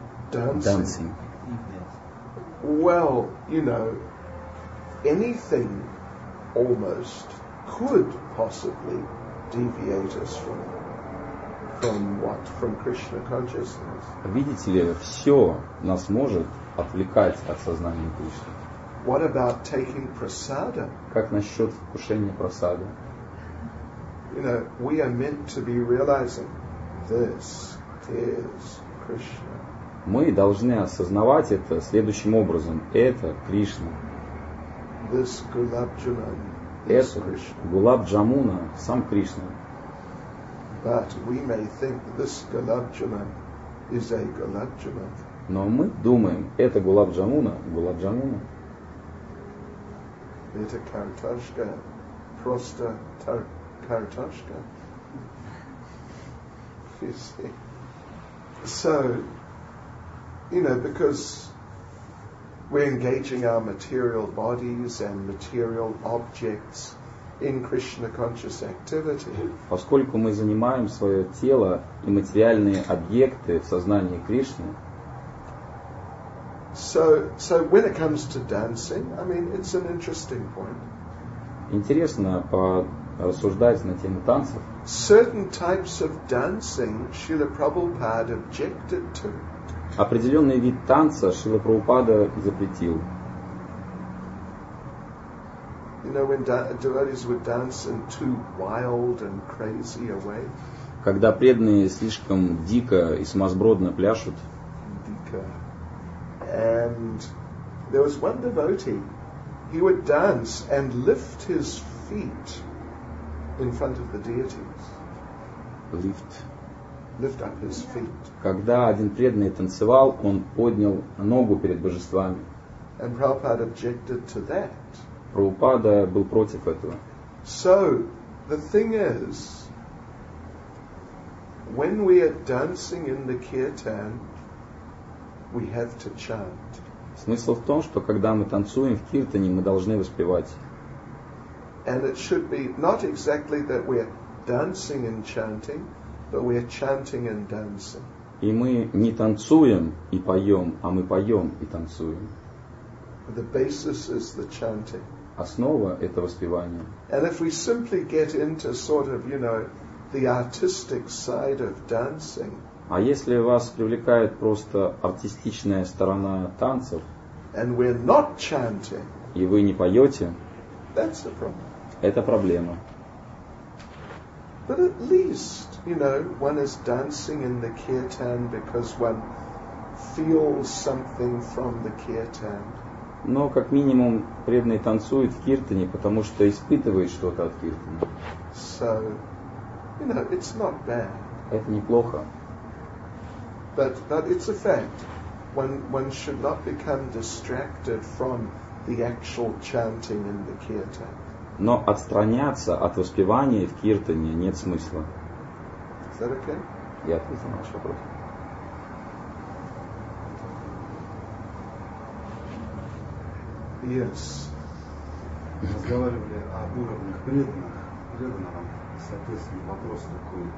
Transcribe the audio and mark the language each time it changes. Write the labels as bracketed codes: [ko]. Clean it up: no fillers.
[en] Dancing. Well, you know, anything almost could possibly deviate us from Krishna consciousness. [ru] Видите ли, все нас может отвлекать от сознания Кришны. [en] What about taking prasada? [ru] Как насчет вкушения прасады? [en] You know, we are meant to be realizing this is Krishna. [ru] Мы должны осознавать это следующим образом. Это Кришна. [en] This Gulab Jamun. [ru] Это Гулаб Джамуна, сам Кришна. [en] But we may think this Gulab Jamun is a Gulab Jamun. [ru] Но мы думаем, это Гулаб Джамуна, Гулаб Джамуна. Это картошка, просто картошка. [en] You see. So, you know, because we're engaging our material bodies and material objects in Krishna conscious activity. [ru] Поскольку мы занимаем свое тело и материальные объекты в сознании Кришны. [en] So when it comes to dancing, I mean, it's an interesting point. [ru] Интересно порассуждать на тему танцев. [en] Certain types of dancing Srila Prabhupada objected to. [ru] Определенный вид танца Шрила Прабхупада запретил. [en] You know, when devotees would dance in too wild and crazy a way. [ru] Когда преданные слишком дико и сумасбродно пляшут. Дико. [en] And there was one devotee, he would dance and lift his feet in front of the deities. Lift. Lift up his feet. [ru] Когда один преданный танцевал, он поднял ногу перед божествами. [en] And Prabhupada objected to that. [ru] Прабхупада был против этого. [en] So, the thing is, when we are dancing in the kirtan, we have to chant. [ru] Смысл в том, что когда мы танцуем в киртане, мы должны воспевать. [en] And it should be not exactly that we are dancing and chanting, but we are chanting and dancing. [ru] И мы не танцуем и поем, а мы поем и танцуем. [en] The basis is the chanting. [ru] Основа — это воспевание. [en] And if we simply get into sort of, you know, the artistic side of dancing. [ru] А если вас привлекает просто артистичная сторона танцев, [en] and we're not chanting, [ru] и вы не поете, [en] that's a problem. [ru] Это проблема. [en] But at least, you know, one is dancing in the kirtan because one feels something from the kirtan. [ru] Но как минимум преданный танцует в киртане, потому что испытывает что-то от киртана. [en] So, you know, it's not bad. [ru] Это неплохо. [en] But it's a fact. One should not become distracted from the actual chanting in the kirtan. [ru] Но отстраняться от воспевания в киртане нет смысла. [en] Is that okay? [ru] Я ответил на ваш вопрос. [en] Yes. [ru] Разговаривали об уровнях преданных. Преданный вам, соответственно, вопрос такой.